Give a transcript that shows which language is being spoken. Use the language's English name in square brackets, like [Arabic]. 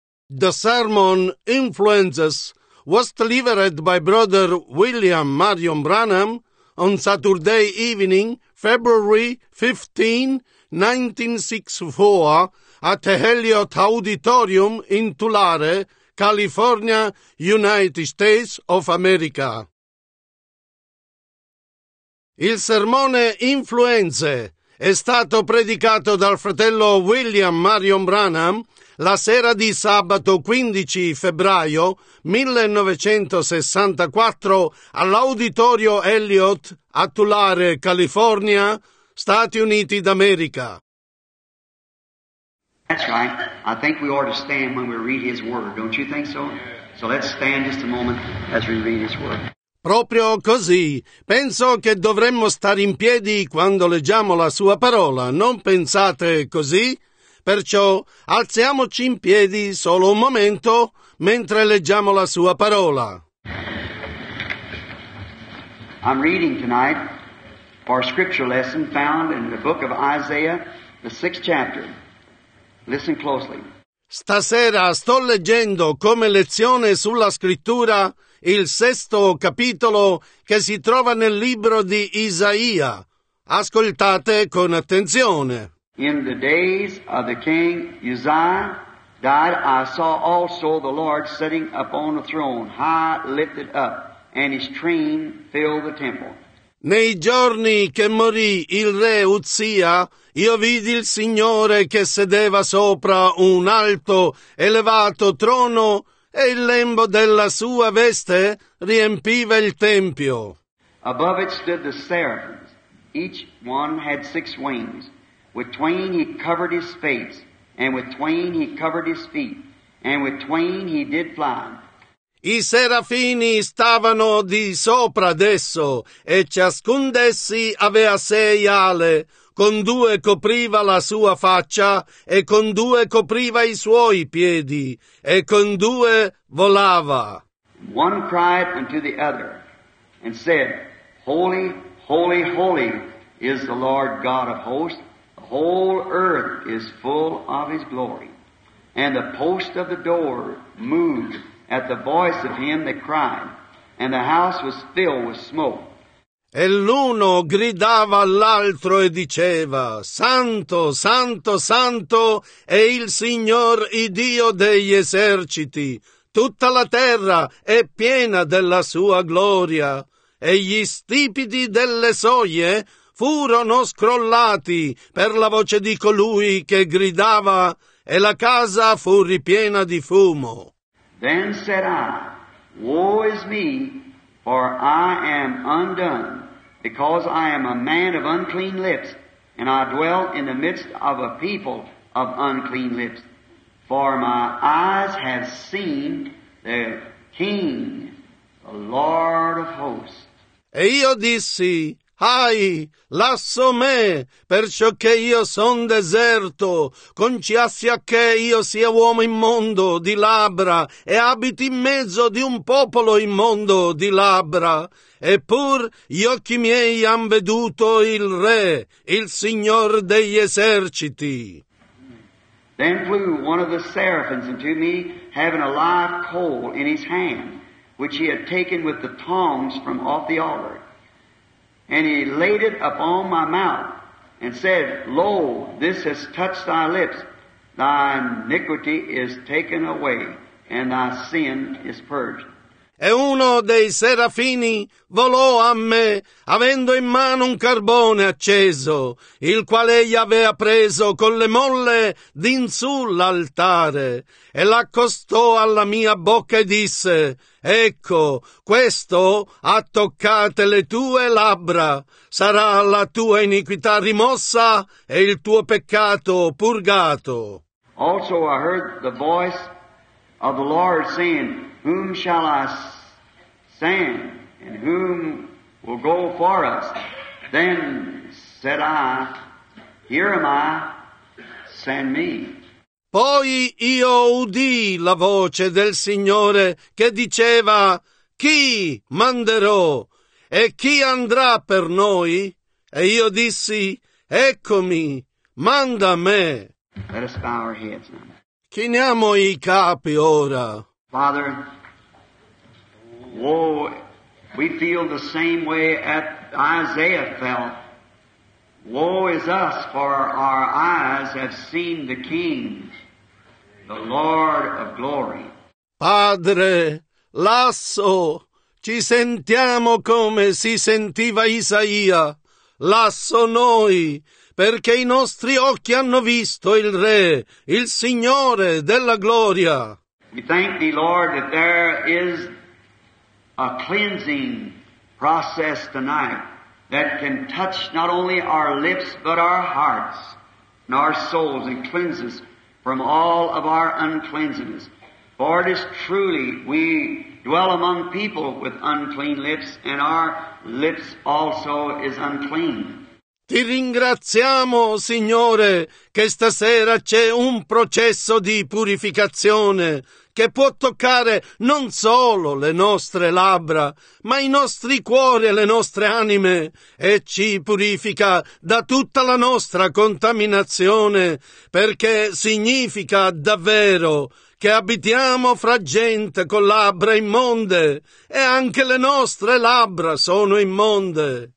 [English] The sermon Influences was delivered by Brother William Marion Branham on Saturday evening, February 15, 1964, at Elliott Auditorium in Tulare, California, United States of America. [Italian] Il sermone Influenze è stato predicato dal fratello William Marion Branham la sera di sabato 15 febbraio 1964 all'Auditorio Elliott a Tulare, California, Stati Uniti d'America. [English] That's right. I think we ought to stand when we read His Word, don't you think so? So let's stand just a moment as we read His Word. [Italian] Proprio così. Penso che dovremmo stare in piedi quando leggiamo la Sua parola. Non pensate così? Perciò alziamoci in piedi solo un momento mentre leggiamo la Sua parola. [English] I'm reading tonight for a scripture lesson found in the book of Isaiah, the 6th chapter. Listen closely. [Italian] Stasera sto leggendo come lezione sulla scrittura il 6° capitolo che si trova nel libro di Isaia. Ascoltate con attenzione. [English] In the days of the king Uzziah died, I saw also the Lord sitting upon a throne, high lifted up, and his train filled the temple. [Italian] Nei giorni che morì il re Uzzia, io vidi il Signore che sedeva sopra un alto, elevato trono, e il lembo della sua veste riempiva il tempio. [English] Above it stood the seraphims. Each one had 6 wings. With twain he covered his face, and with twain he covered his feet, and with twain he did fly. [Italian] I serafini stavano di sopra d'esso, e ciascun d'essi avea 6 ale, con 2 copriva la sua faccia, e con 2 copriva i suoi piedi, e con 2 volava. [English] One cried unto the other, and said, Holy, holy, holy is the Lord God of hosts. The whole earth is full of his glory. And the post of the door moved at the voice of him that cried, and the house was filled with smoke. [Italian] E l'uno gridava all'altro e diceva, Santo, santo, santo è il Signor, il Dio degli eserciti. Tutta la terra è piena della sua gloria. E gli stipiti delle soglie furono scrollati per la voce di colui che gridava, e la casa fu ripiena di fumo. [English] Then said I, Woe is me, for I am undone, because I am a man of unclean lips, and I dwell in the midst of a people of unclean lips. For my eyes have seen the King, the Lord of hosts. [Italian] E io dissi, Ahi, lasso me, perciò che io son deserto, conciassia che io sia uomo immondo di labbra e abiti in mezzo di un popolo immondo di labbra. Eppur gli occhi miei han veduto il Re, il Signor degli eserciti. [English] Then flew one of the seraphims unto me, having a live coal in his hand, which he had taken with the tongs from off the altar. And he laid it upon my mouth, and said, Lo, this has touched thy lips. Thy iniquity is taken away, and thy sin is purged. [Italian] E uno dei serafini volò a me, avendo in mano un carbone acceso, il quale egli avea preso con le molle d'in su l'altare, e l'accostò alla mia bocca e disse, Ecco, questo ha toccate le tue labbra, sarà la tua iniquità rimossa e il tuo peccato purgato. [English] Also I heard the voice of the Lord saying, Whom shall I send, and whom will go for us? Then said I, Here am I, send me. [Italian] Poi io udì la voce del Signore che diceva, Chi manderò, e chi andrà per noi? E io dissi, Eccomi, manda me. [English] Let us bow our heads now. [Italian] Chiniamo i capi ora. [English] Father, woe, we feel the same way that Isaiah felt. Woe is us, for our eyes have seen the King, the Lord of glory. [Italian] Padre, lasso, ci sentiamo come si sentiva Isaia. Lasso noi, perché i nostri occhi hanno visto il Re, il Signore della gloria. [English] We thank thee, Lord, that there is a cleansing process tonight that can touch not only our lips, but our hearts and our souls and cleanse us from all of our uncleansings. For it is truly we dwell among people with unclean lips, and our lips also is unclean. [Italian] Ti ringraziamo, Signore, che stasera c'è un processo di purificazione che può toccare non solo le nostre labbra, ma i nostri cuori e le nostre anime, e ci purifica da tutta la nostra contaminazione, perché significa davvero che abitiamo fra gente con labbra immonde, e anche le nostre labbra sono immonde.